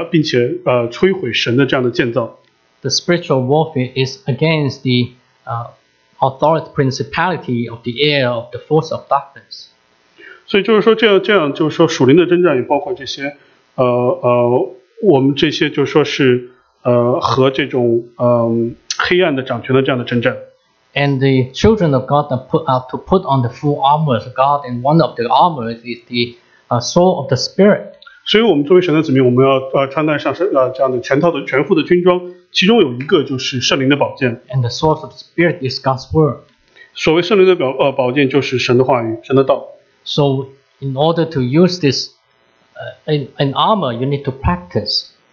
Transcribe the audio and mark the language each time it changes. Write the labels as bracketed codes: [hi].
[zh] 虽然说我们眼不能见我们周围的黑暗的权势，但是这样的黑暗的权势是存在的，他们并且摧毁神的这样的建造。 [en] The spiritual warfare is against the authority principality of the air of the force of darkness. [zh] 所以就是说这样就是说属灵的征战也包括这些我们这些就是说是和这种黑暗的掌权的这样的征战。 [en] And the children of God are put on the full armor of God, and one of the armors is the sword of the Spirit. [zh] 所以我们作为神的子民，我们要穿戴上这样的全套的全副的军装，其中有一个就是圣灵的宝剑。 [en] And the sword of the Spirit is God's word. [zh] 所谓圣灵的宝剑就是神的话语，神的道。 [en] So in order to use this an armor, you need to practice.